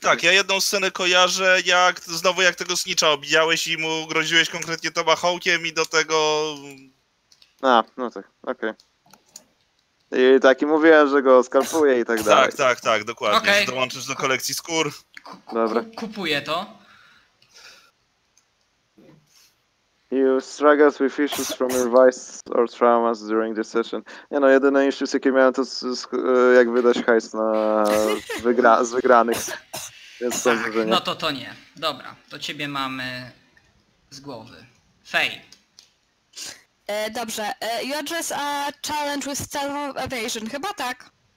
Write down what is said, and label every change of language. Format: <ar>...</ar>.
<pl>tak, nic. Ja jedną scenę kojarzę, jak znowu jak tego snitcha obijałeś i mu groziłeś konkretnie Toma Hawkiem i do tego... A, no tak, okej. Okay. I tak, i mówiłem, że go skalpuję i tak dalej. Tak, dokładnie, okay. Dołączysz do kolekcji skór. kupuję to.</pl> <en>You struggle with issues from your vice or traumas during the session.</en> <pl>Nie no, jedyne issues jakie miałem to jak wydać hajs na z wygranych. Więc tak, to, no to nie. Dobra, to ciebie mamy z głowy. Fej. Dobrze,</pl> <en>you address a challenge with stealth evasion,</en> <pl>chyba tak.</pl>